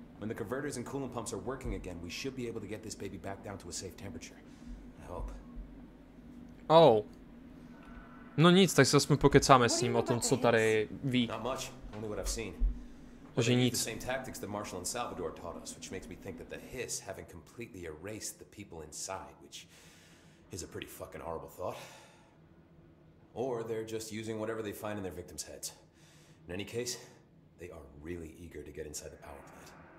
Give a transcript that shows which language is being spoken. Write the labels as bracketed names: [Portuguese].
[English] When the converters and coolant pumps are working again, we should be able to get this baby back down to a safe temperature. I hope. Oh. [Czech] No nic, tak se aspoň pokecáme s ním o tom, co tady ví. [English] Not much, only what I've seen. [Czech] Že nic. [English] The same tactics that Marshall and Salvador taught us, which makes me think that the hiss having completely erased the people inside, which is a pretty fucking horrible thought. Or they're just using whatever they find in their victims' heads. In any case, they are really eager to get inside the power plant.